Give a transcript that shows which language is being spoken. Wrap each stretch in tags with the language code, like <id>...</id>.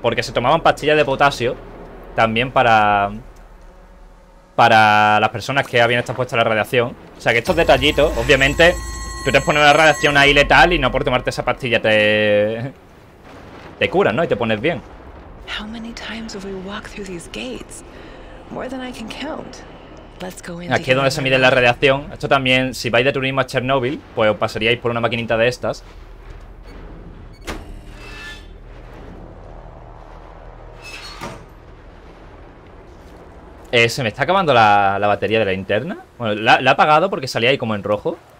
<es>Porque se tomaban pastillas de potasio también para las personas que habían estado expuestas a la radiación. O sea, que estos detallitos, obviamente, tú te pones la radiación ahí letal y no por tomarte esa pastilla te curas, ¿no? Y te pones bien.</es> <en>How many times have we walked through these gates? More than I can count. Let's go in.</en> <es>Aquí es donde se mide la radiación. Esto también, si vais de turismo a Chernobyl, pues os pasaríais por una maquinita de estas. Se me está acabando la batería de la linterna. Bueno, la he apagado porque salía ahí como en rojo.</es>